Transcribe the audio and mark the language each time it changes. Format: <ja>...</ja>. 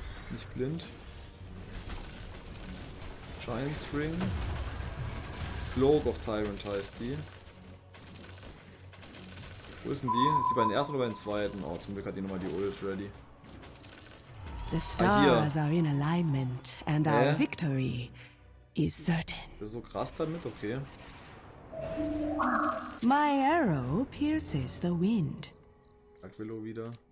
<de>Nicht blind. Giant's Ring. Cloak of Tyrant heißt die. Wo ist denn die? Ist die bei den ersten oder bei den zweiten? Oh, zum Glück hat die nochmal die Ult ready.</de> <en>The stars are in alignment and our victory is certain.</en> <de>Das ist so krass damit, okay.</de> <en>My arrow pierces the wind.</en> <de>Aquilo wieder.</de>